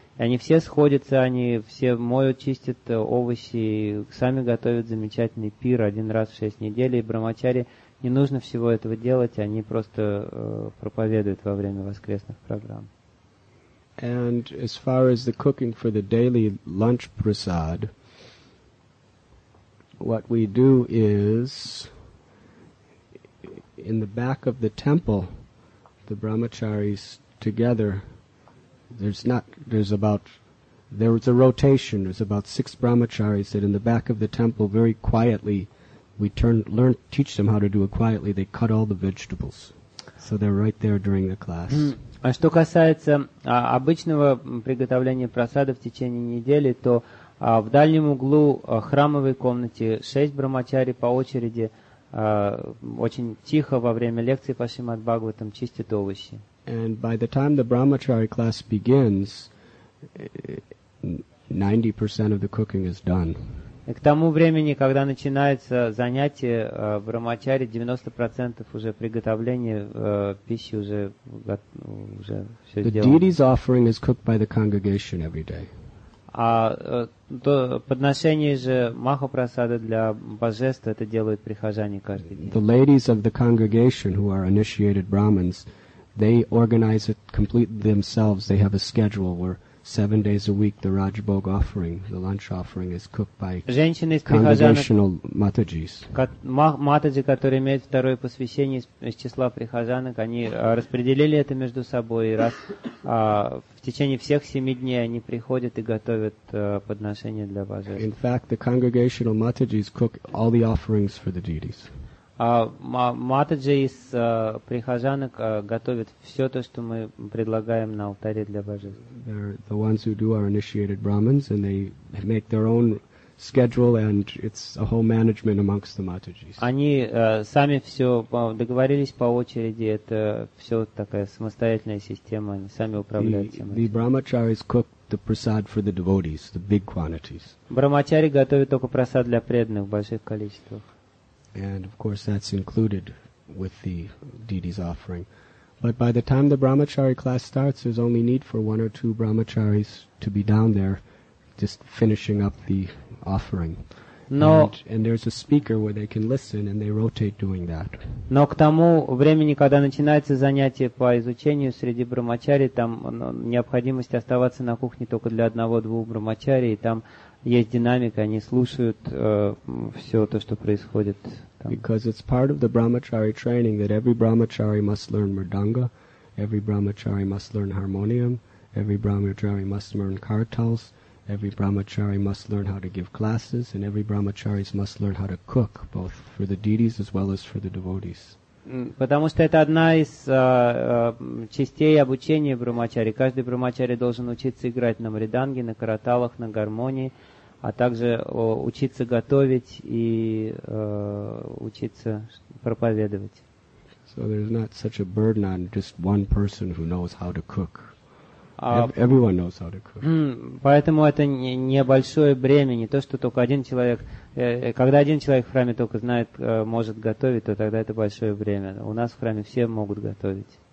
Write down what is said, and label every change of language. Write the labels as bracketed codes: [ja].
[ru] И они все сходятся, они все моют, чистят овощи, сами готовят замечательный пир один раз в 6 недель, и брамачари... Не нужно всего этого делать, они просто проповедуют во время воскресных программ. [en] And as far as the cooking for the daily lunch prasad, what we do is in the back of the temple, the brahmacharis together, there's a rotation, there's about six brahmacharis that in the back of the temple very quietly teach them how to do it quietly. They cut all the vegetables, so they're right there during the class. [ru] А что касается обычного приготовления просада в течение недели, то в дальнем углу храмовой комнате шесть брамачари по очереди очень тихо во время лекции по Шримад Бхагаватам чистят овощи. [en] And by the time the brahmachari class begins, 90% of the cooking is done. [ru] И к тому времени, когда начинается занятие брамачари, 90% уже приготовления пищи уже все сделано. [en] The deity's offering is cooked by the congregation every day. [ru] А то подношение же Махапрасада для божества это делают прихожане каждый день. [en] The ladies of the congregation who are initiated Brahmins, they organize it completely themselves. They have a schedule where 7 days a week the Rajbhog offering, the lunch offering, is cooked by congregational Matajis. [ru] Матаджи, которые имеют второе посвящение из числа прихожанок, они распределили это между собой. Раз в течение всех 7 дней они приходят и готовят подношения для божества. [en] In fact, the congregational Matajis cook all the offerings for the deities. [ru] Матаджи из прихожанок готовят все то, что мы предлагаем на алтаре для божеств. [en] The ones who do are initiated Brahmins, and they make their own schedule, and it's a whole management amongst the Matajis. [ru] Они сами все договорились по очереди, это все такая самостоятельная система, они сами управляют всем этим. [en] The Brahmacharis cook the prasad for the devotees, the big quantities. [ru] Брахмачари готовят только прасад для преданных в больших количествах. [en] And of course, that's included with the deity's offering. But by the time the brahmachari class starts, there's only need for one or two brahmacharis to be down there, just finishing up the offering. [ru] Но, [en] and there's a speaker where they can listen, and they rotate doing that. [ru] Но к тому времени, когда начинается занятие по изучению среди брахмачари, там необходимость оставаться на кухне только для одного-двух брахмачари, и там есть динамика, они слушают все то, что происходит там. [en] Because it's part of the brahmachari training that every brahmachari must learn mridanga, every brahmachari must learn harmonium, every brahmachari must learn kartals, every brahmachari must learn how to give classes, and every brahmachari must learn how to cook, both for the deities as well as for the devotees. [ru] Потому что это одна из частей обучения брахмачари. Каждый брахмачари должен учиться играть на мриданге, на караталах, на гармонии, а также учиться готовить и учиться проповедовать. [en] So there's not such a burden on just one person who knows how to cook. Everyone knows how to cook. [ru] Поэтому это небольшое бремя, не то, что только один человек. Когда один человек в храме только знает, может готовить, то тогда это большое бремя. У нас в храме все могут готовить.